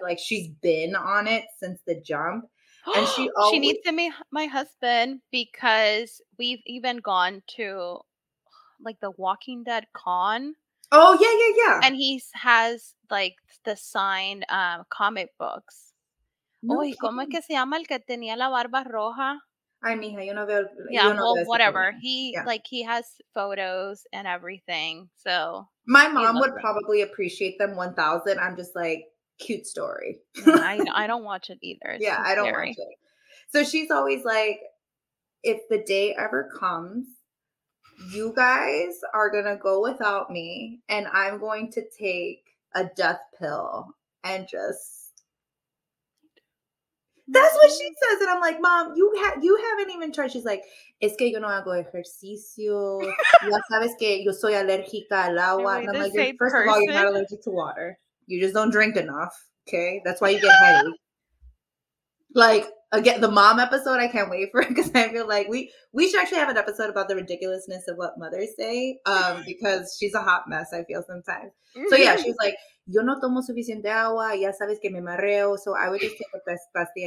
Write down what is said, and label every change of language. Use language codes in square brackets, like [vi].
[en] Like, she's been on it since the jump. And she always. She needs to meet my husband because we've even gone to like the Walking Dead con. Oh, yeah, yeah, yeah. And he has like the signed comic books. [es] No, oh, ¿cómo es que se llama el que tenía la barba roja? Ay, mija, yo no veo. [en] Yeah, [es] yo no [en] well, [es] veo [en] whatever. Thing. He, yeah. Like, he has photos and everything, so. My mom would probably appreciate them 1,000. I'm just like, cute story. I don't watch it either. It's yeah, scary. I don't watch it. So she's always like, if the day ever comes, you guys are going to go without me, and I'm going to take a death pill and just. That's what she says. And I'm like, Mom, you haven't even tried. She's like, [es] es que yo no hago ejercicio. Ya sabes que yo soy alérgica al agua. [en] And I'm like, first of all, you're not allergic to water. You just don't drink enough. Okay? That's why you get heavy. Like, again, the mom episode, I can't wait for it. Because I feel like we should actually have an episode about the ridiculousness of what mothers say. Because she's a hot mess, I feel, sometimes. So, yeah, she's like, [es] yo no tomo suficiente agua, ya sabes que me mareo, [en] so I would just take a best bestie.